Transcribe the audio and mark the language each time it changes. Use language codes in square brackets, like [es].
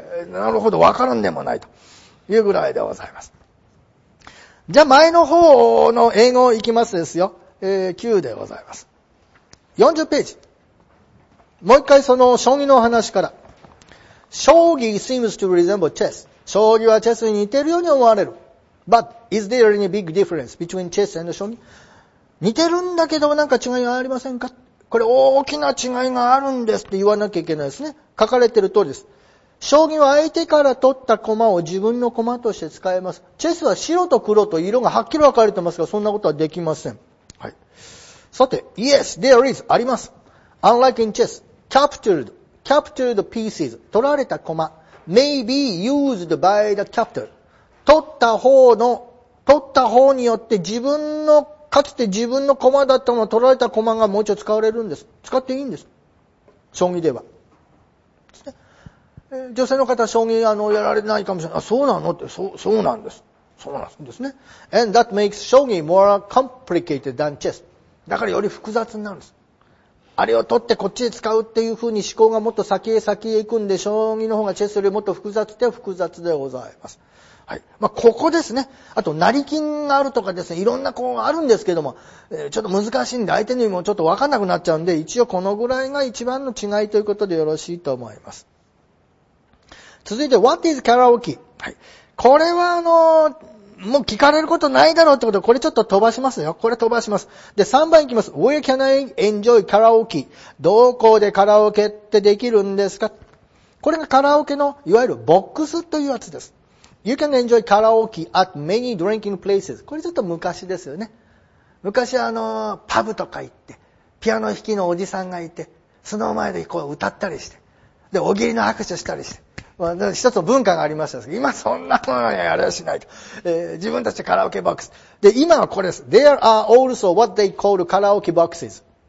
[ja] なるほど、わからんでもないというぐらいでございます。じゃあ前の方の英語いきますですよ。Q でございます。40ページ。もう一回その将棋の話から。 [en] 将棋 seems to resemble chess. [ja] 将棋はチェスに似てるように思われる。 [en] But is there any big difference between chess and 将棋? [ja] 似てるんだけど何か違いがありませんか?これ大きな違いがあるんですって言わなきゃいけないですね。書かれてる通りです。将棋は相手から取った駒を自分の駒として使えます。チェスは白と黒と色がはっきり分かれてますが、そんなことはできません。はい。さて、 [en] Yes, there is, [ja] あります。 [en] Unlike in chess, captured. captured pieces, [ja] 取られた駒 [en] may be used by the captor. [ja] 取った方によって自分の、かつて自分の駒だったのを取られた駒がもう一度使われるんです。使っていいんです。将棋では。女性の方は将棋やられないかもしれない。あ、そうなのって、そうなんです。そうなんですね。 [en] And that makes 将棋 more complicated than chess. [ja] だからより複雑になるんです。あれを取ってこっちで使うっていう風に思考がもっと先へ行くんで、将棋の方がチェスよりもっと複雑で複雑でございます。はい。まあ、ここですね。あと、成金があるとかですね、いろんなこうあるんですけども、ちょっと難しいんで、相手にもちょっとわかんなくなっちゃうんで、一応このぐらいが一番の違いということでよろしいと思います。続いて、 [en] What is karaoke? [ja] はい。これはもう聞かれることないだろうってことで、これちょっと飛ばしますよ。これ飛ばします。で、3番いきます。 [en] Where can I enjoy karaoke? [ja] どこでカラオケってできるんですか?これがカラオケの、いわゆるボックスというやつです。 [en] You can enjoy karaoke at many drinking places. [ja] これちょっと昔ですよね。昔パブとか行って、ピアノ弾きのおじさんがいて、その前でこう歌ったりして、で、おぎりの拍手したりして。まあ、一つの文化がありましたけど、今そんなものはやらしないと。自分たちカラオケボックス。で、今はこれです。 [en] There are also what they call karaoke boxes.